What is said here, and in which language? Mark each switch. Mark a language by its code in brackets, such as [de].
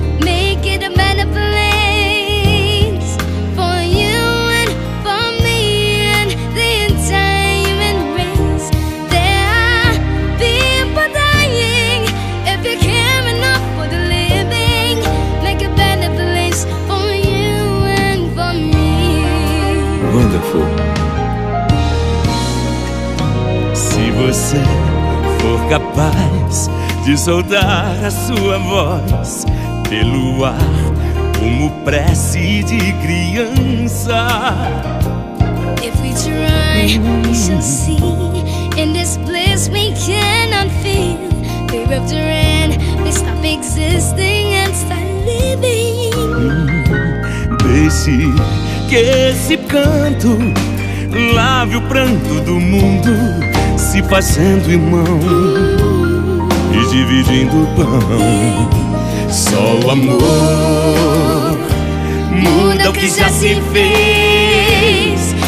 [en] Make it a better place for you and for me and the entire human race. There are people dying. If you care enough for the living, make a better place for you and for me. Wonderful. [pt] Você for capaz de soltar a sua voz pelo ar como prece de criança. [en] If we try, we shall see. In this place we cannot feel. We rip the rain, we stop existing and start living. [pt] Deixe que esse canto lave o pranto do mundo, se fazendo irmão e dividindo o pão. Só o amor muda o que já se fez.